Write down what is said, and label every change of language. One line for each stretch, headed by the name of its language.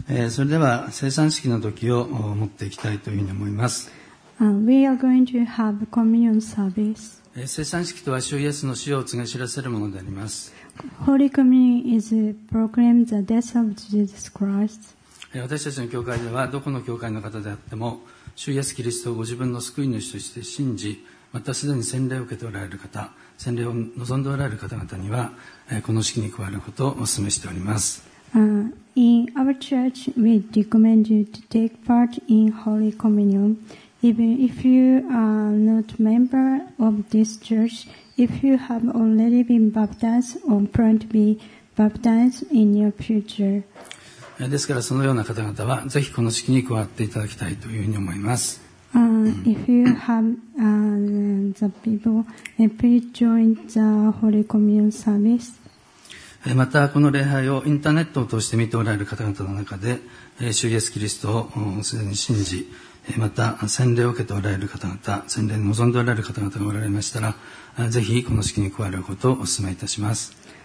Japanese: それでは聖餐式の時を持っていきたいというふうに思います。
English: We are going to have communion service.
Japanese: 聖餐式とは主イエスの死を告げ知らせるものであります。
English: Holy communion is proclaim the death of Jesus Christ.
Japanese: 私たちの教会ではどこの教会の方であっても主イエスキリストをご自分の救い主として信じ、またすでに洗礼を受けておられる方、洗礼を望んでおられる方々にはこの式に加えることをお勧めしております。
English: In our church, we recommend you to take part in Holy Communion. Even if you are not a member of this church, if you have already been baptized or plan to be baptized in your future.
Japanese: ですからそのような方々はぜひこの式に加わっていただきたいというふうに思います。
English: If you have the people, please join the Holy Communion service.
Japanese: またこの礼拝をインターネットを通して見ておられる方々の中で主イエスキリストをすでに信じ、また洗礼を受けておられる方々、洗礼に臨んでおられる方々がおられましたら、ぜひこの式に加わることをお勧めいたします。